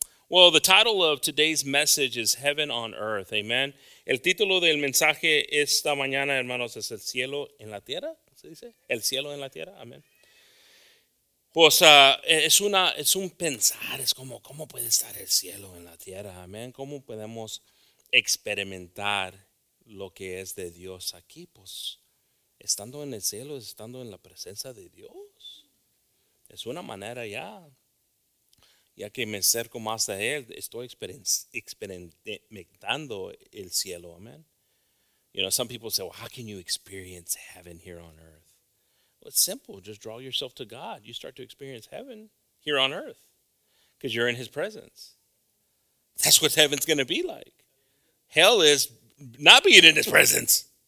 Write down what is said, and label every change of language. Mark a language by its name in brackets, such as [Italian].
[English] Well, the title of today's message is Heaven on Earth. Amen. [Spanish] El título del mensaje esta mañana, hermanos, es el cielo en la tierra. ¿Se dice? El cielo en la tierra. Amén. Pues es un pensar, es como, ¿cómo puede estar el cielo en la tierra? Amén. ¿Cómo podemos experimentar lo que es de Dios aquí? Pues estando en el cielo, estando en la presencia de Dios. Es una manera ya que me acerco más a Él, estoy experimentando el cielo. Amén. [English] You know, some people say, well, how can you experience heaven here on earth? It's simple. Just draw yourself to God. You start to experience heaven here on earth because you're in His presence. That's what heaven's going to be like. Hell is not being in His presence.